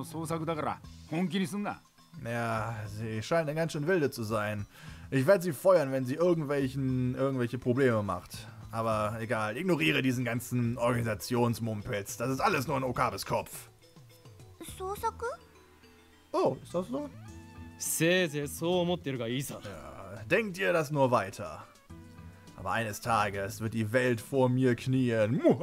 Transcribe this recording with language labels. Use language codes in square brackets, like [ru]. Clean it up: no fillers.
[ja] そもそもその機関なんたらは岡部の創作だから本気にすんな. [de] Ja, sie scheint ein ganz schön wilde zu sein. Ich werde sie feuern, wenn sie irgendwelche Probleme macht. Aber egal, ignoriere diesen ganzen Organisationsmumpels. Das ist alles nur in Okabes Kopf. [ja] Sōsaku? [de] Oh, ist das so? [ja] せいぜいそう思ってるがいいさ. [de] Ja, denkt ihr das nur weiter. Aber eines Tages wird die Welt vor mir knien.